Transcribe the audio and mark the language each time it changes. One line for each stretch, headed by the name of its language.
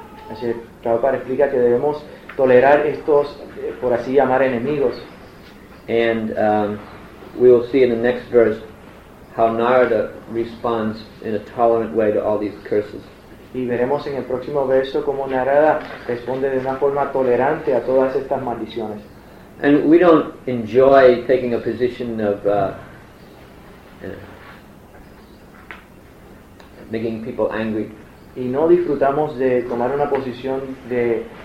Spanish: Así que Prabhupada explica que debemos tolerar estos, por así llamar, enemigos.
English: And we will see in the next verse how Narada responds in a tolerant way to all these curses.
Spanish: Y veremos en el próximo verso cómo Narada responde de una forma tolerante a todas estas maldiciones.
English: And we don't enjoy taking a position of making people angry.
Spanish: Y no disfrutamos de tomar una posición de